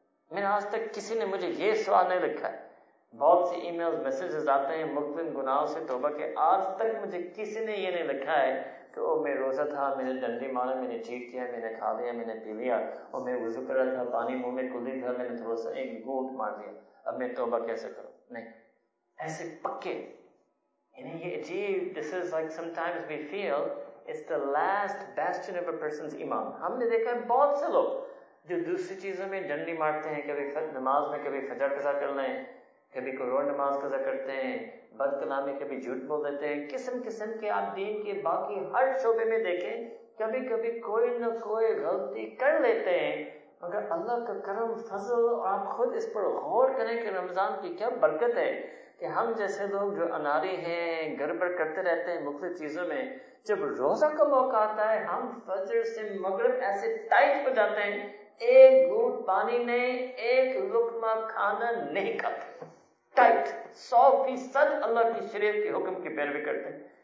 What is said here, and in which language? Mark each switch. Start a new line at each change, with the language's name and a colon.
Urdu: میں آج تک کسی نے مجھے یہ سوال نہیں رکھا ہے, بہت سے ای میل میسیجز آتے ہیں مقدم گناہوں سے توبہ کے, آج تک مجھے کسی نے یہ نہیں لکھا ہے کہ وہ میں روزہ تھا, میں نے ڈنڈی مارا, میں نے چیٹ کیا, میں نے کھا لیا, میں نے پی لیا, اور میں وضو کر رہا تھا, پانی منہ میں کھلی تھا, میں نے تھوڑا سا ایک گھونٹ مار دیا, اب میں توبہ کیسے کروں. نہیں, ایسے پکے. یعنی یہ عجیب,
English: This is like some times we feel it's the last bastion of a person's ایمان.
Urdu: ہم نے دیکھا ہے بہت سے لوگ جو دوسری چیزوں میں ڈنڈی مارتے ہیں, کبھی نماز میں کبھی فجر قضا کر لیں, کبھی قرآن نماز قضا کرتے ہیں, بد کلامی, کبھی جھوٹ بول دیتے ہیں, قسم قسم کے. آپ دین کے باقی ہر شعبے میں دیکھیں کبھی کبھی کوئی نہ کوئی غلطی کر لیتے ہیں, مگر اللہ کا کرم فضل, آپ خود اس پر غور کریں کہ رمضان کی کیا برکت ہے کہ ہم جیسے لوگ جو اناری ہیں, گڑبڑ کرتے رہتے ہیں مختلف چیزوں میں, جب روزہ کا موقع آتا ہے ہم فجر سے مغرب ایسے ٹائٹ ہو جاتے ہیں, ایک گھونٹ پانی نہیں, ایک لقمہ کھانا نہیں کھاتے, 100% اللہ کی شریعت کے حکم کی پیروی کرتے ہیں.